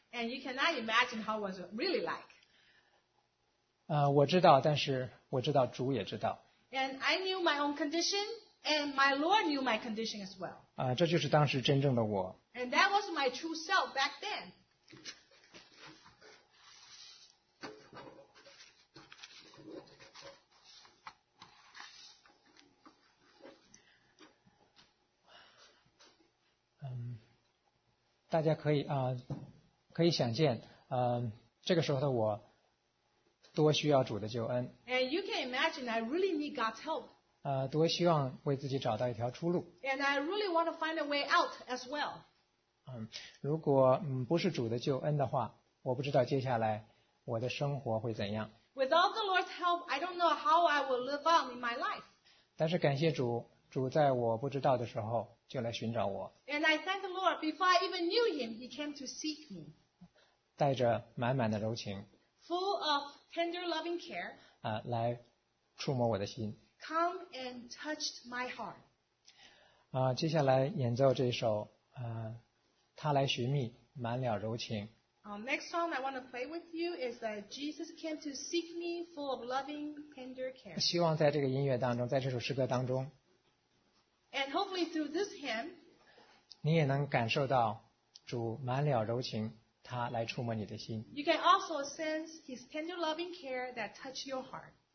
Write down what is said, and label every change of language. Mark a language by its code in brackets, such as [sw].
[en] And you cannot imagine how was it really like. [zh] 我知道，但是我知道主也知道。 [en] And I knew my own condition, and my Lord knew my condition as well. [zh] 这就是当时真正的我。 [en] And that was my true self back then. [zh] 大家可以可以想见这个时候的我多需要主的救恩。 [en] And you can imagine I really need God's help. [zh] 多希望为自己找到一条出路。 [en] And I really want to find a way out as well. [zh] 如果不是主的救恩的话，我不知道接下来我的生活会怎样。 [en] Without the Lord's help, I don't know how I will live on in my life. [zh] 但是感谢主，主在我不知道的时候就来寻找我。 [en] And I thank the Lord, before I even knew him, he came to seek me. [zh] 带着满满的柔情。 [en] Full of tender loving care. [zh] 来触摸我的心。 [en] Come and touched my heart. [zh] 接下来演奏这首他来寻觅满了柔情。 [en] Next song I want to play with you is that Jesus came to seek me full of loving tender care. [zh] 希望在这个音乐当中，在这首诗歌当中， [en] And hopefully through this hymn, [zh] 你也能感受到主满了柔情，他来触摸你的心。 [en] You can also sense his tender loving care that touch your heart.